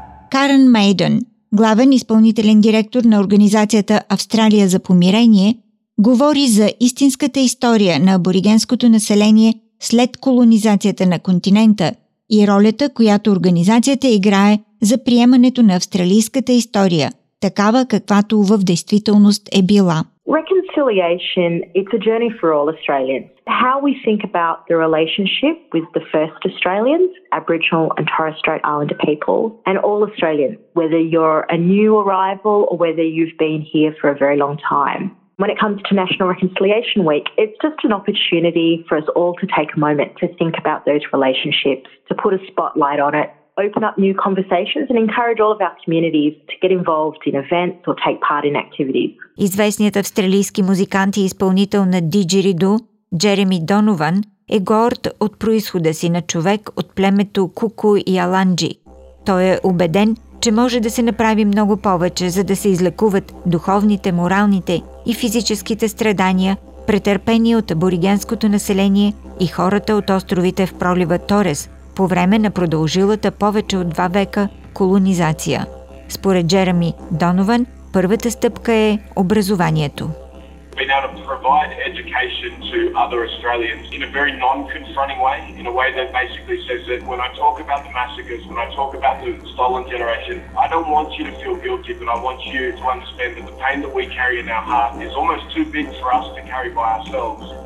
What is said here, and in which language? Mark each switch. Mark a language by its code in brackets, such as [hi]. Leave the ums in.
[bg] Карен Мейдън, главен изпълнителен директор на организацията Австралия за помирение, говори за истинската история на аборигенското население след колонизацията на континента и ролята, която организацията играе за приемането на австралийската история, такава каквато в действителност е била. [en] Reconciliation, it's a journey for all Australians. How we think about the relationship with the first Australians, Aboriginal and Torres Strait Islander people, and all Australians, whether you're a new arrival or whether you've been here for a very long time. When it comes to National Reconciliation Week, it's just an opportunity for us all to take a moment to think about those relationships, to put a spotlight on it, open up new conversations and encourage all of our communities to get involved in events or take part in activities. [bg] Известният австралийски музикант и изпълнител на Диджиридо Джереми Донован е горд от происхода си на човек от племето Куку и Аланджи. Той е убеден, че може да се направи много повече, за да се излекуват духовните, моралните и физическите страдания, претърпени от аборигенското население и хората от островите в пролива Торес – по време на продължилата повече от два века колонизация. Според Джереми Донован, първата стъпка е образованието. [en] been able to provide education to other Australians in a very non confronting way, in a way that basically says that when I talk about the massacres, when I talk about the stolen generation, I don't want you to feel guilty, but I want you to understand that the pain that we carry in our heart is almost too big for us to carry by ourselves.